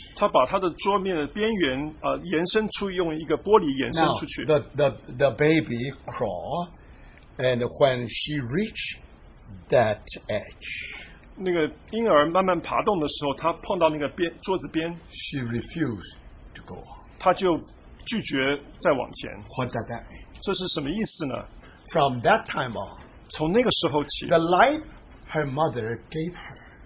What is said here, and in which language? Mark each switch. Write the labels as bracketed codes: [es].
[zh] 她把她的桌面的边缘延伸出用一个玻璃延伸出去 [en] Now, the baby crawl, and when she reached that edge, [zh] 那个婴儿慢慢爬动的时候，她碰到那个边桌子边 [en] She refused to go. [zh] 她就拒绝再往前 [en] What does that mean? [zh] 这是什么意思呢 [en] From that time on. [zh] 从那个时候起 [en] The life her mother gave her